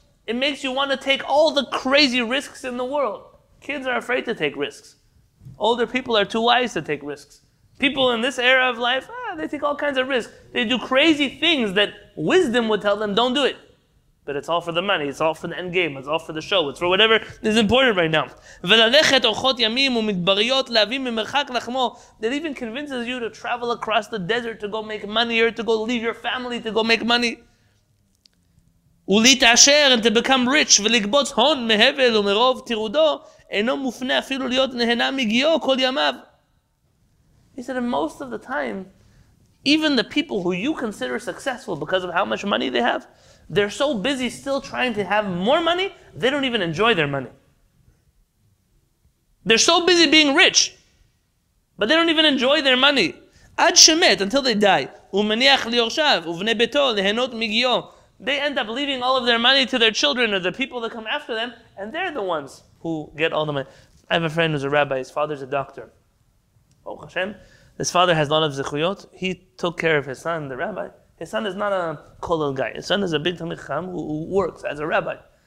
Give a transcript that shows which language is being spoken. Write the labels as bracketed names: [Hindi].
[English] It makes you want to take all the crazy risks in the world. Kids are afraid to take risks. Older people are too wise to take risks. People in this era of life, they take all kinds of risks. They do crazy things that wisdom would tell them, don't do it. But it's all for the money. It's all for the end game. It's all for the show. It's for whatever is important right now. [Hebrew] וללכת אורחות ימים ומדבריות להביא ממרחק לחמו. [English] That even convinces you to travel across the desert to go make money or to go leave your family to go make money. [Hebrew] ולהתעשר [English] and to become rich [Hebrew] ולקבוץ הון מהבל ומרוב תירודו אינו מופנה אפילו להיות נהנה מגיעו כל ימיו. [English] He said that most of the time, even the people who you consider successful because of how much money they have, they're so busy still trying to have more money, they don't even enjoy their money. They're so busy being rich, but they don't even enjoy their money. [Hebrew] עד שמת, [English] until they die. [Hebrew] ומניח ליורשיו ובני ביתו להנות מגיעו. [English] They end up leaving all of their money to their children or the people that come after them, and they're the ones who get all the money. I have a friend who's a rabbi. His father's a doctor. Oh, Hashem. His father has a lot of zechuyot. He took care of his son, the rabbi. His son is not a kollel guy. His son is a big talmid chacham who works as a rabbi.